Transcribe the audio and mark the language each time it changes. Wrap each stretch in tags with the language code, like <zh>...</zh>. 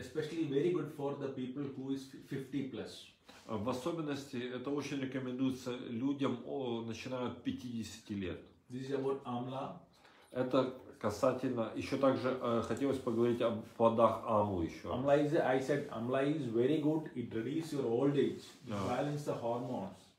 <en>Especially very good for the people who is 50 plus.</en> <ru>В особенности это очень рекомендуется людям, начиная от 50 лет.</ru> <en>This is about amla.</en> <ru>Это касательно, еще также хотелось поговорить о плодах амлу еще.</ru> <en>Amla is, I said, amla is very good, it reduces your old age, it balances the hormones.</en>